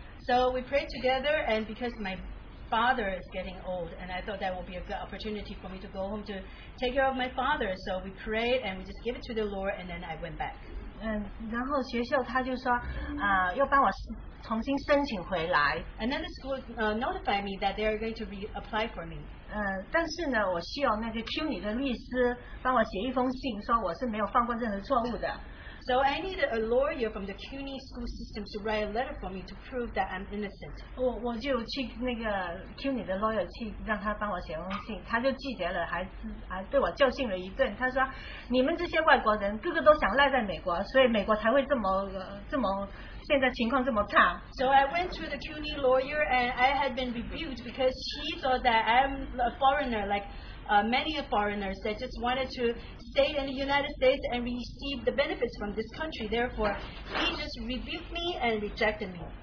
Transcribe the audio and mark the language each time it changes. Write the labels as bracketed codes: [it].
[en] So we prayed together, and because my father is getting old, and I thought that would be a good opportunity for me to go home to take care of my father. So we prayed, and we just gave it to the Lord, and then I went back. [zh] 然后学校他就说，又帮我重新申请回来。 [en] And then the school notified me that they are going to reapply for me. [zh] 但是呢，我需要那个 CUNY的律师帮我写一封信，说我是没有犯过任何错误的。 [en] So I needed a lawyer from the CUNY school system to write a letter for me to prove that I'm innocent. [zh] 我就去那个 CUNY 的 lawyer 去让他帮我写封信，他就拒绝了，还对我教训了一顿。他说，你们这些外国人个个都想赖在美国，所以美国才会这么现在情况这么差。 [en] So I went to the CUNY lawyer and I had been rebuked because she thought that I'm a foreigner, like. Many foreigners that just wanted to stay in the United States and receive the benefits from this country. Therefore, he just rebuked me and rejected me.